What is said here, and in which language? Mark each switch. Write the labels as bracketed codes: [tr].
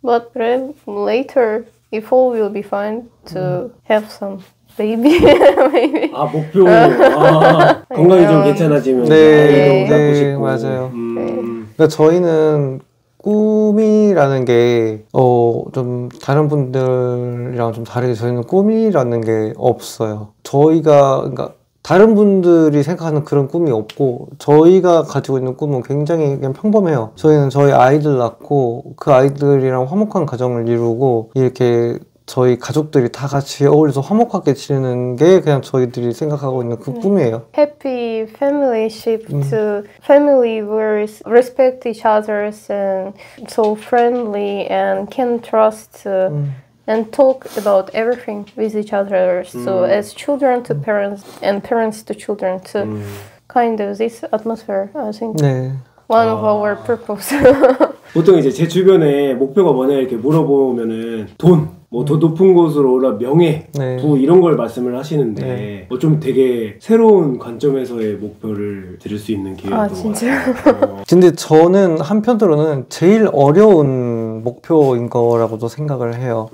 [en] But then later, if all will be fine, to have some baby. [ko] 아, 목표. 아, 건강이 좀 괜찮아지면. 네, 네, 맞아요. 그러니까 저희는 꿈이라는 게 좀 다른 분들이랑 좀 다르게 저희는 꿈이라는 게 없어요. 저희가 그러니까 다른 분들이 생각하는 그런 꿈이 없고 저희가 가지고 있는 꿈은 굉장히 그냥 평범해요. 저희는 저희 아이들 낳고 그 아이들이랑 화목한 가정을 이루고 이렇게 저희 가족들이 다 같이 어울려서 화목하게 지내는 게 그냥 저희들이 생각하고 있는 그 꿈이에요. [en] Happy family ship to family where respect each others and so friendly and can trust and talk about everything with each other. So as children to parents and parents to children to kind of this atmosphere, I think. [ko] 네. [en] One of our purpose. [ko] 보통 이제 제 주변에 목표가 뭐냐 이렇게 물어보면은 돈. 뭐 더 높은 곳으로 올라 명예, 네. 부 이런 걸 말씀을 하시는데 네. 뭐 좀 되게 새로운 관점에서의 목표를 드릴 수 있는 기회였던 것 같아요. 아 진짜요? 근데 저는 한편으로는 제일 어려운 목표인 거라고도 생각을 해요.